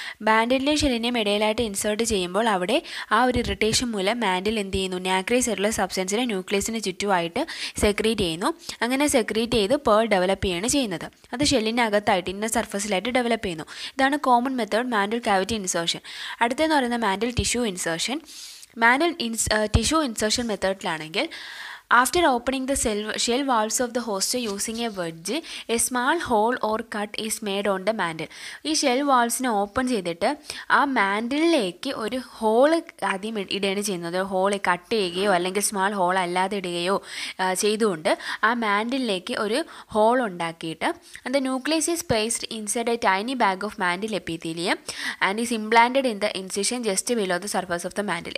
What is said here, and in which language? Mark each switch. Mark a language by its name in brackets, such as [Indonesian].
[Malayalam] മാൻഡലിൻ്റെയും ഷെല്ലിൻ്റെയും ഇടയിലായിട്ട് insert ചെയ്യുമ്പോൾ അവിടെ ആ ഒരു ഇറിറ്റേഷൻ മൂലം മാൻഡിൽ എന്ത് ചെയ്യുന്നു, നാക്രിയസ് ആയിട്ടുള്ള സബ്സ്റ്റൻസിനെ ന്യൂക്ലിയസിന് ചുറ്റുമായിട്ട് സെക്രീറ്റ് ചെയ്യുന്നു. അങ്ങനെ സെക്രീറ്റ് ചെയ്ത് പേൾ ഡെവലപ്പ് ചെയ്യുകയാണ് ചെയ്യുന്നത്. അത് ഷെല്ലിൻ്റെ അകത്തായിട്ട് ഇന്നർ സർഫസിലായിട്ട് ഡെവലപ്പ് ചെയ്യുന്നു. ഇതാണ് common method mantel cavity insertion. അടുത്തതെന്ന് പറയുന്നത് mantel tissue insertion. Mantel tissue insertion മെത്തേഡിലാണെങ്കിൽ [English] After opening the shell valves of the host using a wedge, a small hole or cut is made on the mantle. [Malayalam] ഈ shell വാൾസിനെ open ചെയ്തിട്ട് ആ മാൻഡലിലേക്ക് ഒരു hall ആദ്യം ഇടുകയാണ് ചെയ്യുന്നത്. Hall cut ചെയ്യുകയോ അല്ലെങ്കിൽ small whole അല്ലാതെ ഇടുകയോ ചെയ്തുകൊണ്ട് ആ മാൻഡലിലേക്ക് ഒരു ഹോൾ ഉണ്ടാക്കിയിട്ട് [English] The nucleus is placed inside a tiny bag of mantle epithelium and is implanted in the incision just below the surface of the mantle.